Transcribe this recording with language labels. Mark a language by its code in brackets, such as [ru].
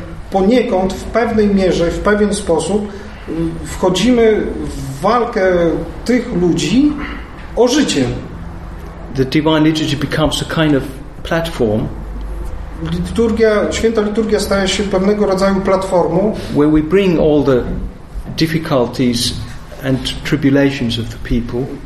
[pl] Poniekąd, w pewnej mierze, w pewien sposób, wchodzimy w walkę tych ludzi o życie. [en] The divine liturgy becomes a kind of platform. [pl] Liturgia, święta liturgia staje się pewnego rodzaju platformą, [en] where we bring all the difficulties and tribulations of the people.